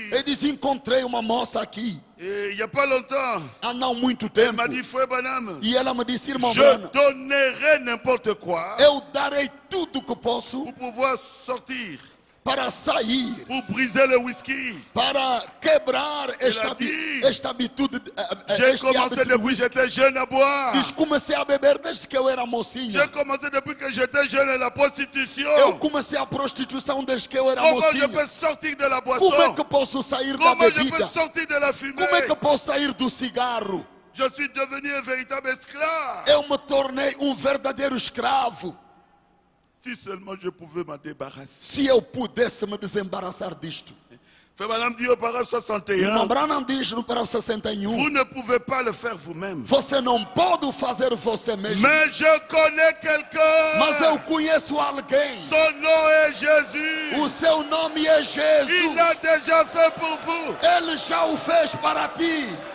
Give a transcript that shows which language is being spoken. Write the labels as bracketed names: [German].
[Portuguese] Ele disse, encontrei uma moça aqui. [French] Il y a pas longtemps. [Portuguese] Há não muito tempo. [French] Elle m'a dit, Frère Branham. [Portuguese] E ela me disse, irmão Branham. [French] Je donnerai n'importe quoi. [Portuguese] Eu darei tudo que posso. [French] Pour pouvoir sortir. [Portuguese] Para sair. [French] Pour briser le whisky. [Portuguese] Para quebrar esta habitude. [French] J'ai commencé depuis que j'étais jeune à boire. Je commençais à [Portuguese] beber desde que eu era mocinho. [French] J'ai commencé depuis que j'étais jeune à la prostitution. [Portuguese] Eu comecei a prostituição desde que eu era mocinho. [French] Comment je peux sortir de la boisson? [Portuguese] Como é que posso sair [French] Comment [Portuguese] da bebida? [French] Comment je peux sortir de la fumée? [Portuguese] Como é que posso sair do cigarro? [French] Je suis devenu un véritable esclave. [Portuguese] Eu me tornei verdadeiro escravo. [French] Si seulement je pouvais m'en débarrasser. [Portuguese] Se eu pudesse me desembaraçar disto. [French] Frère Branham dit au paragraphe 61. [Portuguese] Irmão Branham diz no paragraphe 61. [French] Vous ne pouvez pas le faire vous-même. [Portuguese] Você não pode fazer você mesmo. [French] Mais je connais quelqu'un. [Portuguese] Mas eu conheço alguém. [French] Son nom est Jésus. [Portuguese] O seu nome é Jesus. [French] Il l'a déjà fait pour vous. [Portuguese] Ele já o fez para ti.